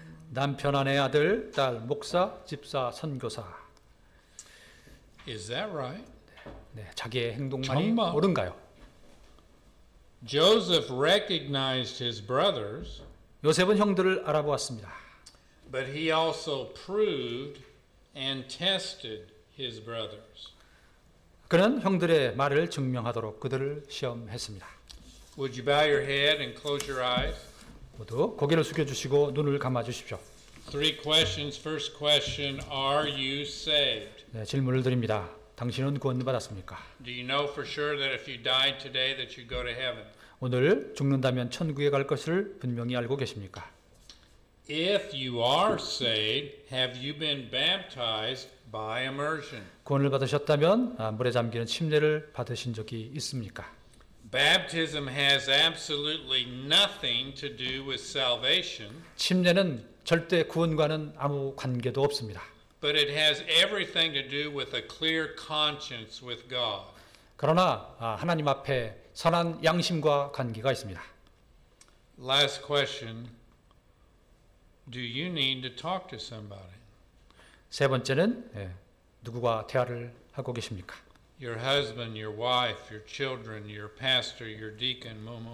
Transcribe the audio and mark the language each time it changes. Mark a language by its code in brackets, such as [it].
[ko] 남편, 아내, 아들, 딸, 목사, 집사, 선교사. [en] Is that right? [ko] 네, 자기의 행동만이 옳은가요? [en] Joseph recognized his brothers. [ko] 요셉은 형들을 알아보았습니다. [en] But he also proved and tested his brothers. [ko] 그는 형들의 말을 증명하도록 그들을 시험했습니다. [en] Would you bow your head and close your eyes? [ko] 모두 고개를 숙여 주시고 눈을 감아 주십시오. [en] Three questions. First question, are you saved? [ko] 네, 질문을 드립니다. 당신은 구원받았습니까? [en] Do you know for sure that if you died today that you go to heaven? [ko] 오늘 죽는다면 천국에 갈 것을 분명히 알고 계십니까? [en] If you are saved, have you been baptized by immersion? [ko] 구원을 받으셨다면 물에 잠기는 침례를 받으신 적이 있습니까? [en] Baptism has absolutely nothing to do with salvation. [ko] 침례는 절대 구원과는 아무 관계도 없습니다. [en] But it has everything to do with a clear conscience with God. [ko] 그러나 하나님 앞에 선한 양심과 관계가 있습니다. [en] Last question. Do you need to talk to somebody? [ko] 세 번째는 누구와 대화를 하고 계십니까? [en] Your husband, your wife, your children, your pastor, your deacon.